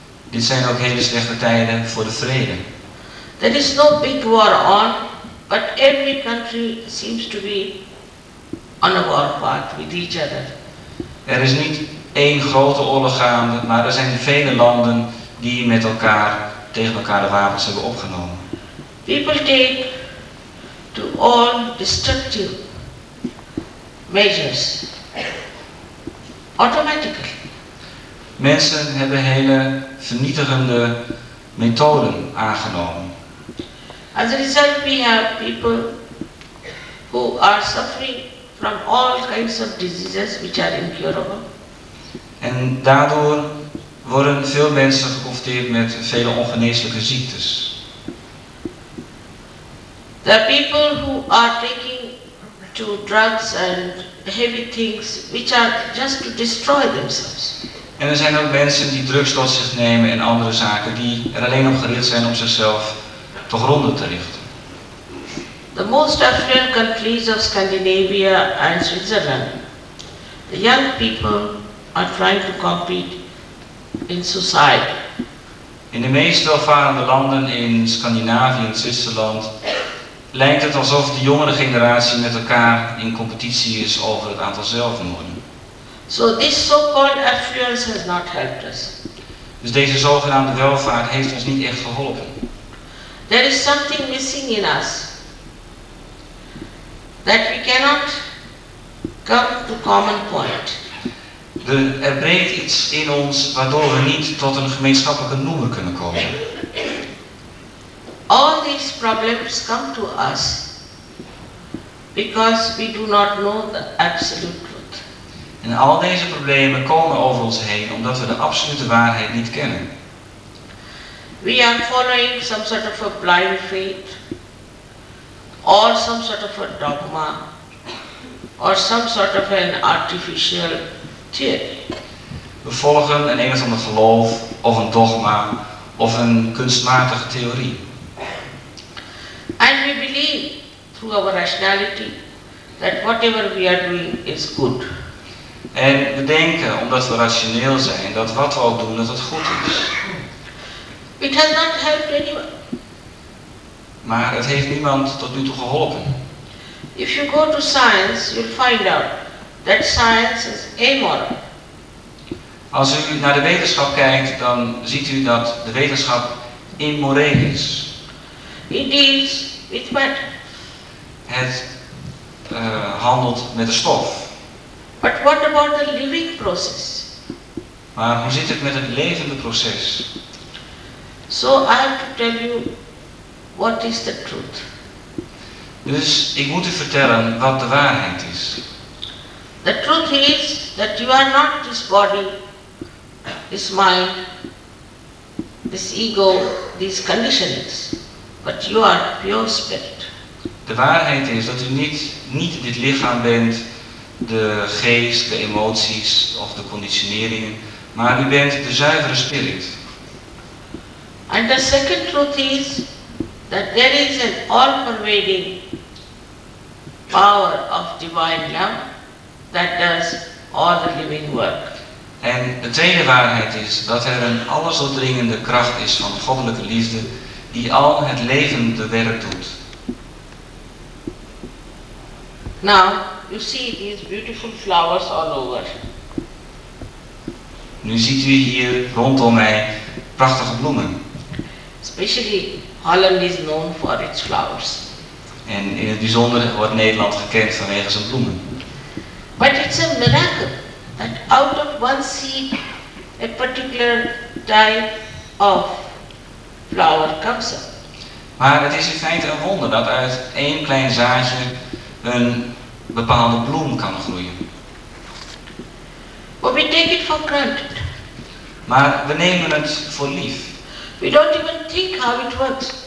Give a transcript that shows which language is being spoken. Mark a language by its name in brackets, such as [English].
[Dutch] Dit zijn ook hele slechte tijden voor de vrede. [English] There is no big war on, but every country seems to be on our path with each other. [Dutch] Er is niet één grote oorlog gaande, maar er zijn vele landen die met elkaar tegen elkaar de wapens hebben opgenomen. [English] People take to all destructive measures automatically. [Dutch] Mensen hebben hele vernietigende methoden aangenomen. [English] As a result, we have people who are suffering from all kinds of diseases which are incurable. [Dutch] En daardoor worden veel mensen geconfronteerd met vele ongeneeslijke ziektes. [English] The people who are taking to drugs and heavy things which are just to destroy themselves. [Dutch] En er zijn ook mensen die drugs tot zich nemen en andere zaken die er alleen op gericht zijn om zichzelf te gronden te richten. [English] The most affluent countries of Scandinavia and Switzerland. The young people are trying to compete in society. [Dutch] In de meest welvarende landen in Scandinavië en Zwitserland lijkt het alsof de jongere generatie met elkaar in competitie is over het aantal zelfmoorden. [English] So this so-called affluence has not helped us. [Dutch] Dus deze zogenaamde welvaart heeft ons niet echt geholpen. [English] There is something missing in us that we cannot come to common point. [Dutch] Er breekt iets in ons waardoor we niet tot een gemeenschappelijke noemer kunnen komen. [English] All these problems come to us because we do not know the absolute truth. [Dutch] En al deze problemen komen over ons heen omdat we de absolute waarheid niet kennen. [English] We are following some sort of a blind faith or some sort of a dogma or some sort of an artificial theory. [Dutch] We volgen een of ander geloof of een dogma of een kunstmatige theorie. [English] And we believe through our rationality that whatever we are doing is good. [Dutch] En we denken, omdat we rationeel zijn, dat wat we ook doen, dat het goed is. [English] It has not helped anyone. [Dutch] Maar het heeft niemand tot nu toe geholpen. [English] If you go to science, you'll find out that science is amoral. [Dutch] Als u naar de wetenschap kijkt, dan ziet u dat de wetenschap immoreel is. [English] It deals with matter. [Dutch] Het handelt met de stof. [English] But what about the living process? [Dutch] Maar hoe zit het met het levende proces? [English] So I have to tell you what is the truth. [Dutch] Dus ik moet u vertellen wat de waarheid is. [English] The truth is that you are not this body, this mind, this ego, these conditionings. But you are pure spirit. [Dutch] De waarheid is dat u niet dit lichaam bent, de geest, de emoties of de conditioneringen, maar u bent de zuivere spirit. [English] And the second truth is that there is an all-pervading power of divine love that does all the living work. [Dutch] En de tweede waarheid is dat er een allesdoordringende kracht is van goddelijke liefde die al het levende werk doet. [English] Now, you see these beautiful flowers all over. [Dutch] Nu ziet u hier rondom mij prachtige bloemen. [English] Especially Holland is known for its flowers. [Dutch] En in het bijzonder wordt Nederland gekend vanwege zijn bloemen. [English] But it's a miracle that out of one seed a particular type of flower comes up. [Dutch] Maar het is in feite een wonder dat uit één klein zaadje een bepaalde bloem kan groeien. [English] But we take it for granted. [Dutch] Maar we nemen het voor lief. [English] We don't even think how it works.